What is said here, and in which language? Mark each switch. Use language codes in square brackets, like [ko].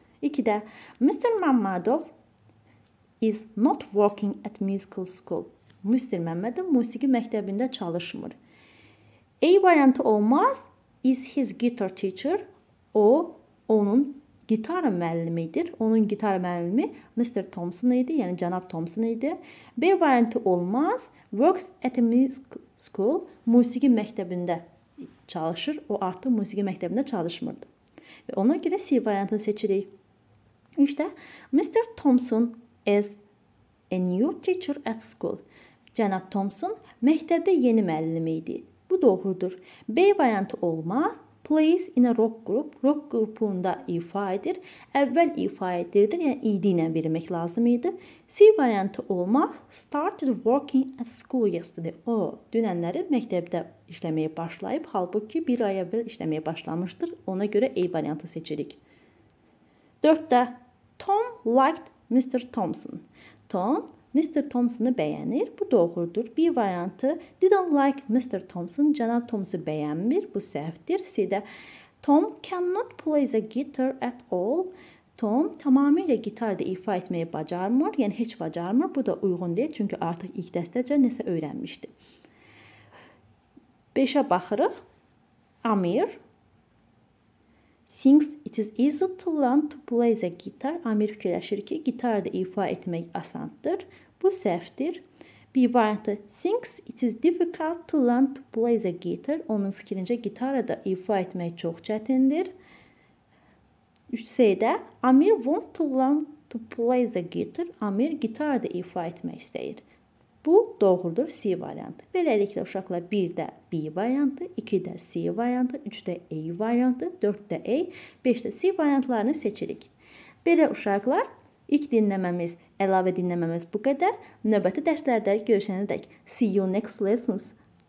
[az] İki də Mr. [en] Mammadov is not working at musical school. Mr. [az] Mammadov musiqi məktəbində çalışmır. A variantı olmaz [en] is his guitar teacher. [az] O, onun gitar müəllimidir. Onun gitar müəllimi Mr. Thompson idi, yəni cənab Thompson idi. B variantı olmaz [en] works at a music school. [az] Musiqi məktəbində çalışır. O artıq musiqi məktəbində çalışmırdı. Və ona görə C variantını seçirik. İşdə, Mr. [en] Thompson is a new teacher at school. [az] Cənab Thompson məktəbdə yeni müəllim idi. Bu doğrudur. B variantı olmaz. [en] Plays in a rock group. [az] Rock qrupunda ifa edir. Əvvəl ifa edirdi, yəni ED ilə vermək lazım idi. C variantı olmaz. [en] Started working at school yesterday. [az] O, dünənləri məktəbdə işləməyə başlayıb. Halbuki bir ay əvvəl işləməyə başlamışdır. Ona görə A variantı seçirik. 4. [en] Tom liked Mr. Thompson. Tom Mr. [az] Thompson'ı bəyənir. Bu doğrudur. [en] B variantı didn't like Mr. Thompson. [az] Cənab Thompson bəyənmir. Bu səhvdir. C-də [en] Tom cannot play the guitar at all. [az] Tom tamamilə gitarda ifa etməyi bacarmır. Yəni, heç bacarmır. Bu da uyğun deyil. Çünki artıq ilk dəstəcə nəsə öyrənmişdi. 5-ə baxırıq. [en] Amir thinks it is easy to learn to play the guitar. [az] Amir fikirləşir ki, gitarda ifa etmək asandır. Bu səhvdir. B variantı [en] thinks it is difficult to learn to play the guitar. [az] Onun fikrince gitarı da ifa etmek çok çetindir. [en] 3C'de Amir wants to learn to play the guitar. [az] Amir gitarı da ifa etmek istəyir. Bu doğrudur C variantı. Beləliklə uşaqlar 1-də B variantı, 2-də C variantı, 3-də A variantı, 4-də A, 5-də C variantlarını seçirik. Belə uşaqlar, ilk dinləməmiz, əlavə dinləməmiz bu qədər. Növbəti dərslərdə görüşənədək. [en] See you next lessons.